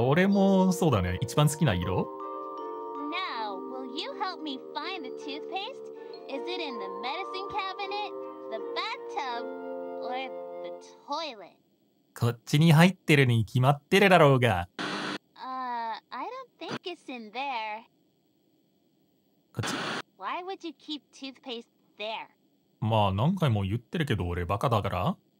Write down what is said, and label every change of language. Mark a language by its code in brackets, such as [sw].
[ja] 俺もそうだね。一番好きな色。 [en] Now, will you help me find the toothpaste? Is it in the medicine cabinet, the bathtub, or the toilet? [ja] こっちに入ってるに決まってるだろうが。 [en] I don't think it's in there. [ja] こっち。 [en] Why would you keep toothpaste there? [ja] まあ何回も言ってるけど、俺バカだから。